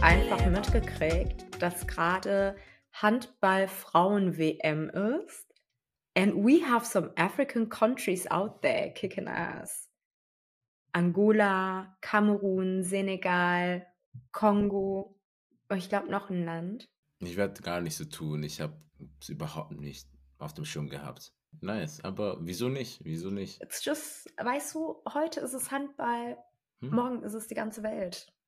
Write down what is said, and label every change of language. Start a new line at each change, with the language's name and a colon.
German: Mitgekriegt, dass gerade Handball-Frauen-WM ist.
English: And we have some African countries out there kicking ass.
German: Angola, Kamerun, Senegal, Kongo, ich glaube noch ein Land. Ich werde gar nicht so tun, ich habe es überhaupt nicht auf dem Schirm gehabt. Nice, aber wieso nicht?
English: It's just,
German: weißt du, heute ist es Handball, morgen ist es die ganze Welt.